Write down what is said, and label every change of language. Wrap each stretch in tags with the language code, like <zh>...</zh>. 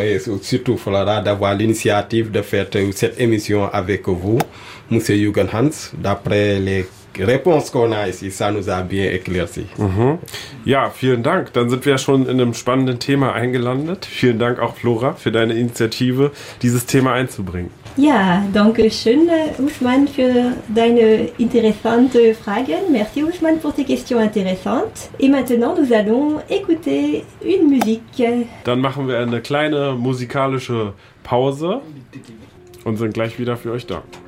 <fr>Et surtout, il faudra d'avoir l'initiative de faire cette émission avec vous, M. Jürgen Hans. D'après les réponses qu'on a ici, ça nous a bien éclairci.</fr> <de>Mm-hmm. Ja, vielen Dank. Dann sind wir schon in einem spannenden Thema eingelandet. Vielen Dank auch, Flora, für deine Initiative, dieses Thema einzubringen. Ja, danke schön, Ousmane, für deine interessanten Fragen.</de> <fr>Merci, Ousmane, pour tes questions intéressantes. Et maintenant, nous allons écouter une musique.</fr> <de>Dann machen wir eine kleine musikalische Pause und sind gleich wieder für euch da.</de>